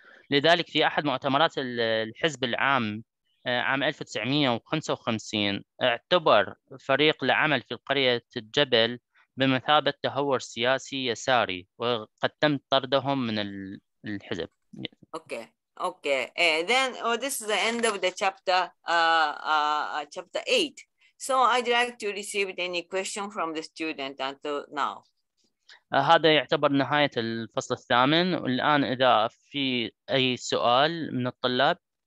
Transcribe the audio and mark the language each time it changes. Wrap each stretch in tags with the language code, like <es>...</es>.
<ar>لذلك في أحد مؤتمرات الحزب العام عام 1955 اعتبر فريق العمل في قرية الجبل بمثابة تهور سياسي يساري، وقد تم طردهم من الحزب.</ar> <en>Okay. Okay, then this is the end of the chapter, chapter 8. So I'd like to receive any question from the student until now.</en> <ar>هذا يعتبر نهاية الفصل الثامن، والآن إذا في أي سؤال من الطلاب.</ar>